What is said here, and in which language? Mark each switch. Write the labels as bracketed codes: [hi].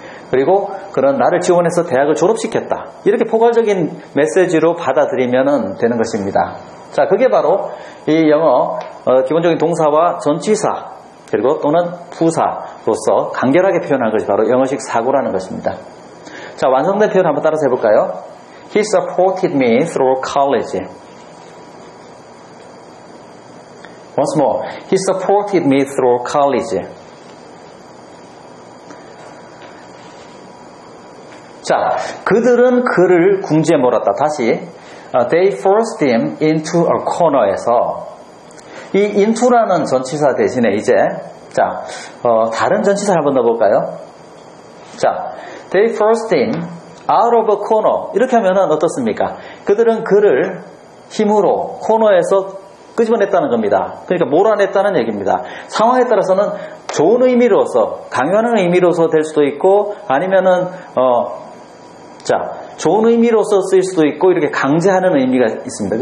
[ko] 그리고 그런 나를 지원해서 대학을 졸업시켰다. 이렇게 포괄적인 메시지로 받아들이면 되는 것입니다. 자, 그게 바로 이 영어 기본적인 동사와 전치사 그리고 또는 부사로서 간결하게 표현한 것이 바로 영어식 사고라는 것입니다. 자, 완성된 표현 한번 따라서 해볼까요? [en] He supported me through college. Once more, he supported me through college. [ko] 자, 그들은 그를 궁지에 몰았다. 다시, [en] they forced him into a corner에서 [ko] 이 into라는 전치사 대신에 이제 자 다른 전치사 한번 넣어볼까요? [en] 자, they forced him out of a corner [ko] 이렇게 하면은 어떻습니까? 그들은 그를 힘으로 코너에서 끄집어냈다는 겁니다. 그러니까 몰아냈다는 얘기입니다. 상황에 따라서는 좋은 의미로서 강요하는 의미로서 될 수도 있고 아니면은 자 좋은 의미로서 쓰일 수도 있고 이렇게 강제하는 의미가 있습니다.